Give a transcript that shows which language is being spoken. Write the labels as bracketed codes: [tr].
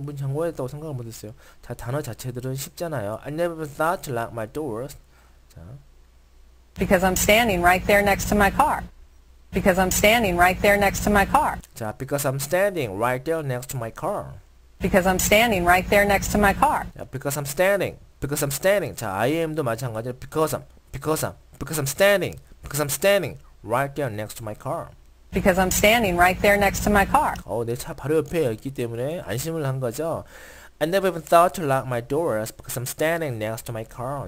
[ko] 문 잠궈야겠다고 생각을 못했어요. 자, 단어 자체들은 쉽잖아요. [en] I never even thought to lock my doors. 자. Because I'm standing right there next to my car. Because I'm standing right there next to my car. 자, because I'm standing right there next to my car. Because I'm standing right there next to my car. Yeah, because I'm standing. 자, I am도 마찬가지로 because I'm standing right there next to my car. Because I'm standing right there next to my car. [ko] 내 차 바로 옆에 있기 때문에 안심을 한 거죠. [en] I never even thought to lock my doors because I'm standing next to my car.